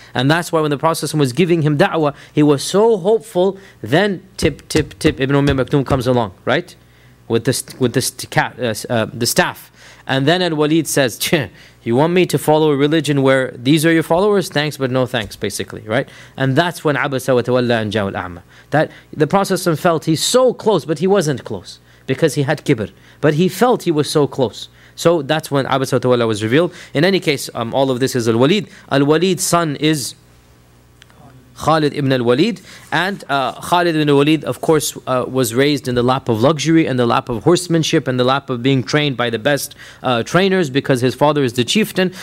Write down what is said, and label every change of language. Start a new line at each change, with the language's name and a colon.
English: And that's why when the Prophet was giving him da'wah, he was so hopeful. Then tip, Ibn Ummi Maktoum comes along, right? With the staff. And then Al-Walid says, you want me to follow a religion where these are your followers? Thanks, but no thanks, basically, right? And that's when
Arabic: عَبَسَ وَتَوَلَّى أَنْ جَاءُ الْأَعْمَى.
English: That the Prophet felt he's so close, but he wasn't close because he had kibr. But he felt he was so close. So that's when
Arabic: عَبَسَ وَتَوَلَّى
English: was revealed. In any case, all of this is Al-Walid. Al-Walid's son is Khalid ibn al-Walid. And Khalid ibn al-Walid, of course, was raised in the lap of luxury and the lap of horsemanship and the lap of being trained by the best trainers, because his father is the chieftain.